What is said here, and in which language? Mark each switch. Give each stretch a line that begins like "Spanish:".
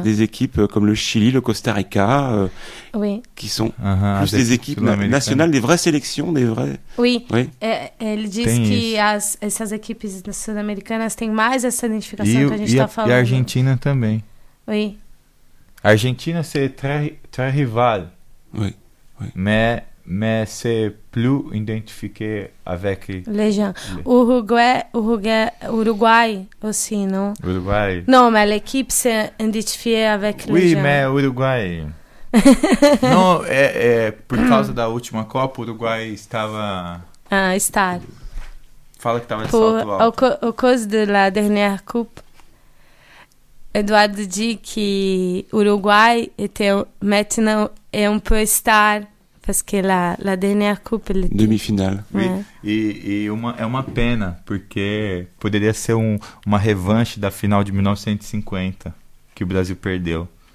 French: Des équipes comme le Chili, le Costa Rica, oui. Qui sont plus des équipes nationales, des vraies sélections, des vrais. Oui, oui.
Portuguese: Ele diz que essas équipes sud-américanas têm mais essa identificação que a gente está falando. E a Argentina também.
French: Oui.
Portuguese: A Argentina
French: c'est très rival. Oui, oui. Mais c'est plus identifié avec les gens. Uruguay aussi, non? Uruguay. Non, mais l'équipe s'est identifiée avec oui, les gens. Oui, mais
Portuguese: Uruguay. Non, por causa da última Copa, Uruguay estava. Ah, está. Fala que estava de salto alto.
French: Au cause de la dernière Coupe, Eduardo dit que Uruguay maintenant est un peu star. Parce que la dernière coupe, demi-finale. Oui.
Portuguese: É uma pena, porque poderia ser uma revanche da final de 1950, que o Brasil perdeu.